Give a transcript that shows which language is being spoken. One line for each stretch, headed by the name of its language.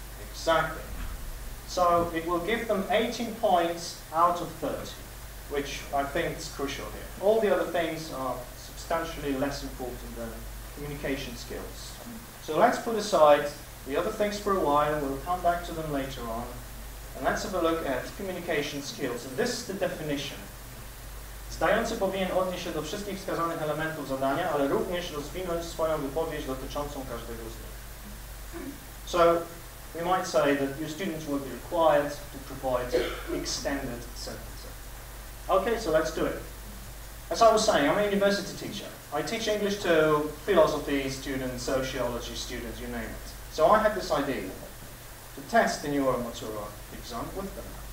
English: Exactly. So it will give them 18 points out of 30, which I think is crucial here. All the other things are substantially less important than communication skills. So let's put aside the other things for a while, and we'll come back to them later on. And let's have a look at communication skills. And this is the definition.
Polish: Zdający powinien odnieść się do wszystkich wskazanych elementów zadania, ale również rozwinąć swoją wypowiedź dotyczącą każdego z nich.
English: So, we might say that your students will be required to provide extended sentences. Okay, so let's do it. As I was saying, I'm a university teacher. I teach English to philosophy students, sociology students, you name it. So I had this idea to test the new oral Matura exam with them.